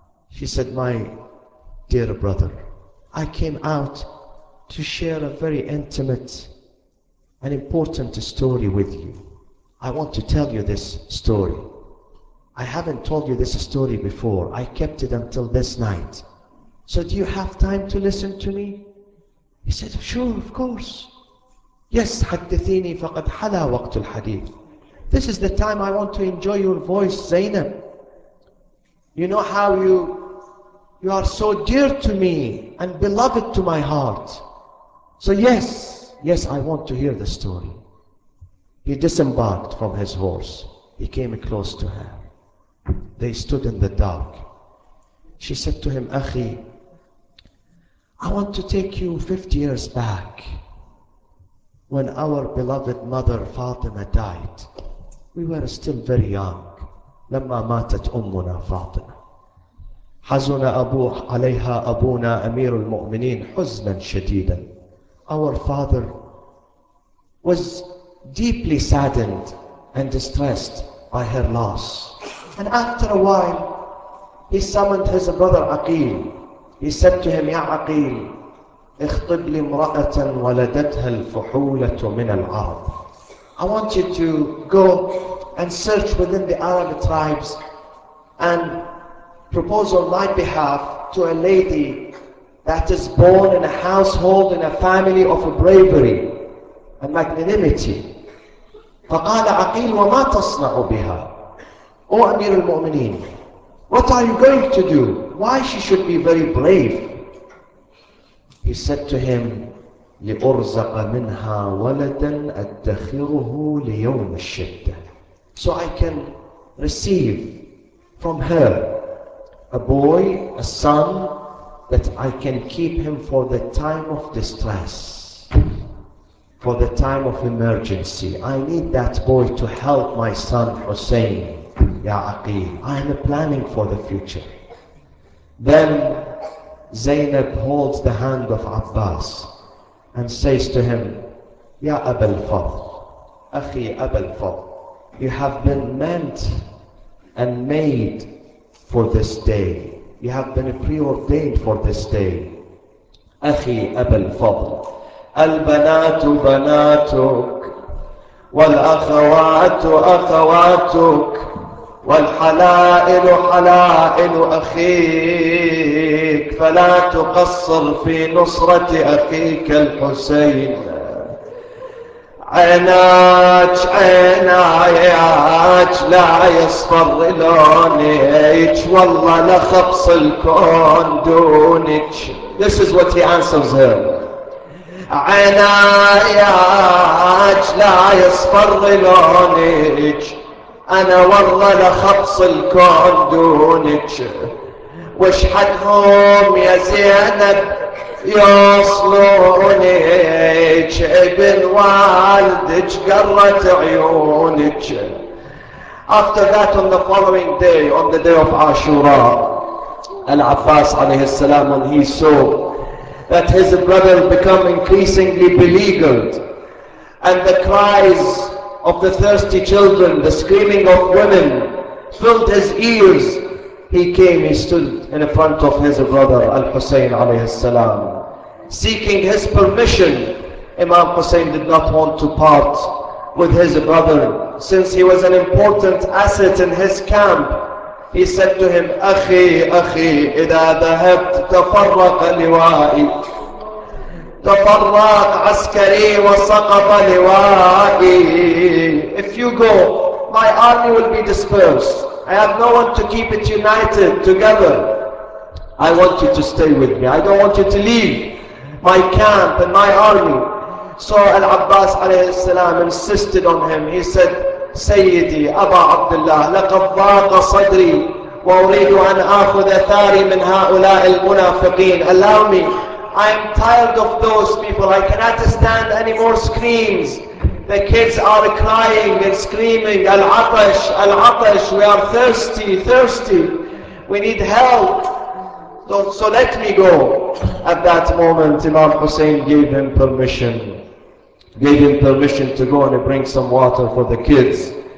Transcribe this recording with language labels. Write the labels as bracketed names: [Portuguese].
[English] She said, my dear brother, I came out to share a very intimate and important story with you. I want to tell you this story. I haven't told you this story before. I kept it until this night. So do you have time to listen to me? He said, sure, of course. [Arabic] Yes, حدثيني فقد حلى وقت الحديث. [English] This is the time I want to enjoy your voice, Zainab. You know how you are so dear to me and beloved to my heart. So yes, I want to hear the story. He disembarked from his horse. He came close to her. They stood in the dark. She said to him, أخي, I want to take you 50 years back when our beloved mother Fatima died. We were still very young. [Arabic] لما ماتت أمنا فاطمة. حزن أبوه عليها أبونا أمير المؤمنين حزنا شديدا. [English] Our father was deeply saddened and distressed by her loss. And after a while, he summoned his brother Aqil. He said to him, [Arabic] يا عقيل اخطب لي امرأة ولدتها الفحولة من العرب. [English] I want you to go and search within the Arab tribes and propose on my behalf to a lady that is born in a household, in a family of bravery and magnanimity. [Arabic] فقال عقيل وما تصنع بها؟ [English] O Amir al-Mu'mineen, what are you going to do? Why she should be very brave? He said to him, [Arabic] لأرزق منها ولدا أدخره ليوم الشدة. [English] So I can receive from her a boy, a son, that I can keep him for the time of distress, for the time of emergency. I need that boy to help my son Hussein. Ya Aqeel, I am planning for the future. Then Zainab holds the hand of Abbas and says to him, Ya Abul Fadl, Akhi Abul Fadl, you have been meant and made for this day. You have been preordained for this day. [Arabic] Akhi Abul Fadl, Al-Banatu Banatuk, Wal-Akhawatu Akhawatuk, والحلائل حلائل أخيك فلا تقصر في نصرة أخيك الحسين عيناك عيناك لا يصفر لونك والله لخبص الكون دونك. [English] This is what he answers her. [Arabic] عيناك لا يصفر لونك أنا والله لخبص الكون دونك وش حدهم يا زينب يوصلونك ابن والدك قرت عيونك. [English] After that, on the following day, on the day of Ashura, Al-Abbas [Arabic] عليه السلام, [English] when he saw that his brother become increasingly beleaguered and the cries of the thirsty children, the screaming of women filled his ears, he came, he stood in front of his brother Al-Hussein alayhi salam, seeking his permission. Imam Hussein did not want to part with his brother since he was an important asset in his camp. He said to him, [Arabic] أخي أخي إذا ذهبت تفرق لوائي تفرق عسكري وسقط لوائي. [English] If you go, my army will be dispersed. I have no one to keep it united together. I want you to stay with me. I don't want you to leave my camp and my army. So Al-Abbas alayhi salam insisted on him. He said, [Arabic] Sayyidi Aba Abdullah, لقد ضاق صدري وأريد أن آخذ ثاري من هؤلاء المنافقين. [English] Allow me. I am tired of those people. I cannot stand any more screams. The kids are crying and screaming, Al-Atash, Al-Atash, we are thirsty, thirsty. We need help. So let me go. At that moment, Imam Hussein gave him permission to go and bring some water for the kids.